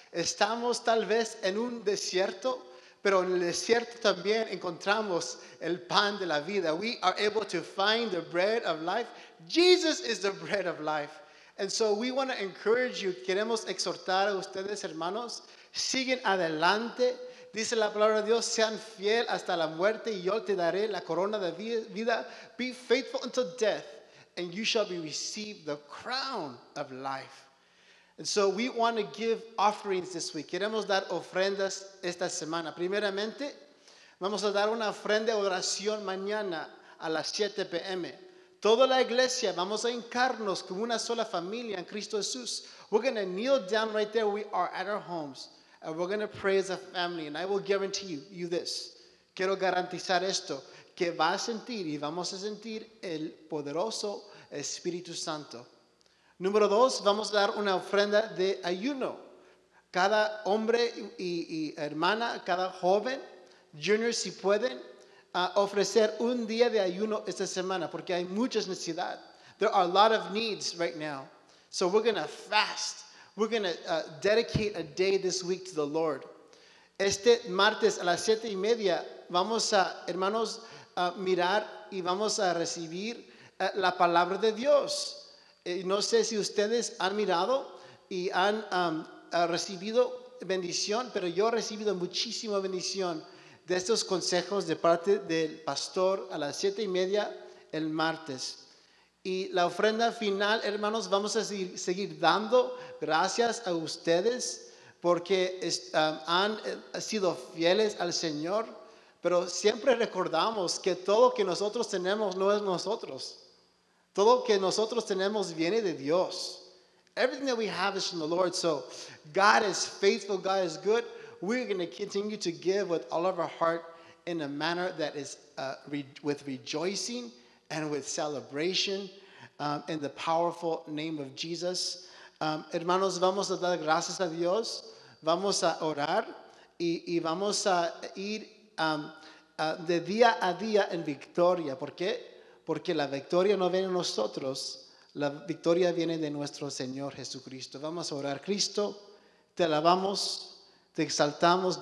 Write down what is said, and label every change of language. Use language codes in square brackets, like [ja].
[es] Estamos tal vez en un desierto, pero en el desierto también encontramos el pan de la vida. [en] We are able to find the bread of life. Jesus is the bread of life. And so we want to encourage you. [es] Queremos exhortar a ustedes, hermanos. Siguen adelante. Dice la palabra de Dios, sean fiel hasta la muerte y yo te daré la corona de vida. [en] Be faithful until death and you shall be received the crown of life. And so we want to give offerings this week. [es] Queremos dar ofrendas esta semana. Primeramente, vamos a dar una ofrenda de oración mañana a las 7 p.m. Toda la iglesia, vamos a hincarnos como una sola familia en Cristo Jesús. [en] We're going to kneel down right there. We are at our homes. And we're going to pray as a family. And I will guarantee you this. [es] Quiero garantizar esto. Que va a sentir y vamos a sentir el poderoso Espíritu Santo. Número dos, vamos a dar una ofrenda de ayuno. Cada hombre y hermana, cada joven, junior, si pueden, ofrecer un día de ayuno esta semana, porque hay muchas necesidades. [en] There are a lot of needs right now. So we're going to fast. We're going to dedicate a day this week to the Lord. [es] Este martes a las 7:30, vamos a, hermanos, mirar y vamos a recibir la palabra de Dios. No sé si ustedes han mirado y han recibido bendición, pero yo he recibido muchísima bendición de estos consejos de parte del pastor a las 7:30 el martes. Y la ofrenda final, hermanos, vamos a seguir dando gracias a ustedes porque han sido fieles al Señor. Pero siempre recordamos que todo que nosotros tenemos no es nosotros. Todo que nosotros tenemos viene de Dios. [en] Everything that we have is from the Lord. So God is faithful. God is good. We're going to continue to give with all of our heart in a manner that is with rejoicing and with celebration in the powerful name of Jesus. [es] Hermanos, vamos a dar gracias a Dios. Vamos a orar y vamos a ir de día a día en victoria. ¿Por qué? Porque la victoria no viene de nosotros. La victoria viene de nuestro Señor Jesucristo. Vamos a orar. Cristo, te alabamos, te exaltamos.